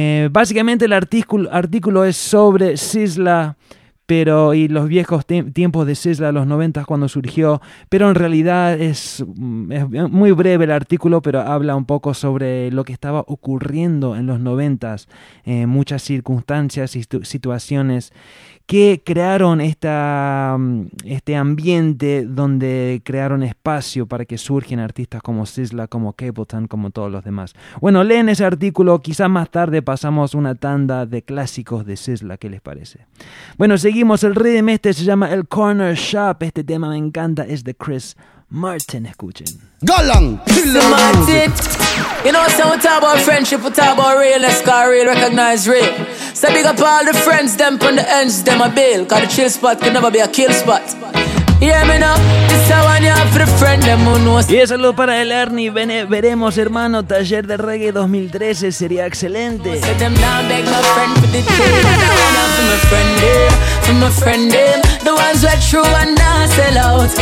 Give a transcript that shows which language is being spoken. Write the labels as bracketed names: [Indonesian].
[Spanish] Básicamente el artículo es sobre Sizzla, pero y los viejos tiempos de Sizzla, los 90 cuando surgió, pero en realidad es muy breve el artículo, pero habla un poco sobre lo que estaba ocurriendo en los 90, muchas circunstancias y situaciones que crearon este ambiente donde crearon espacio para que surgen artistas como Sizzla, como Capleton, como todos los demás. Bueno, leen ese artículo, quizás más tarde pasamos una tanda de clásicos de Sizzla, ¿qué les parece? Bueno, seguimos, el rhythm este se llama El Corner Shop, este tema me encanta, es de Chris Martin, escuchen. [English] Galang, kill them music. You know, so we talk about friendship, we talk about realness, cause real recognize real. So big up all the friends, them from the ends, them a bail, cause the chill spot could never be a kill spot. Yeah, me know, this how I need for the friend, them who knows. [Spanish] Y salud para el Ernie, veremos hermano, taller de reggae 2013 sería excelente. [English] Set them down, beg my friend for the chill. For my friend, the ones who are true and not sell out.